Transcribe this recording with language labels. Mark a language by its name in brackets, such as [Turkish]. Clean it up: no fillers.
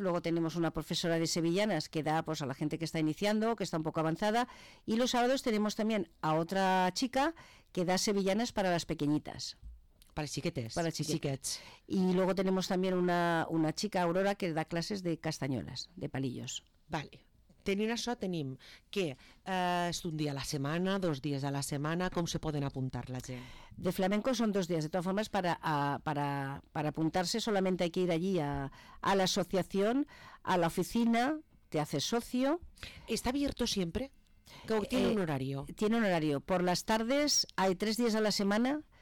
[Spanish] Luego tenemos una profesora de sevillanas que da pues, a la gente que está iniciando, que está un poco avanzada. Y los sábados tenemos también a otra chica que da sevillanas para las pequeñitas. Para chiquetes. Para chiquetes. Y luego tenemos también una chica, Aurora, que da clases de castañolas, de palillos. Vale. [Catalan] Tenim això, tenim que és un dia a la setmana, 2 dies a la setmana, com se poden apuntar la gent? De flamenco són 2 dies, de totes formes, [Spanish] para apuntarse solamente hay que ir allí a la asociación, a la oficina, te haces socio. ¿Está abierto siempre? ¿Tiene un horario? Tiene un horario. Por las tardes hay 3 días a la semana...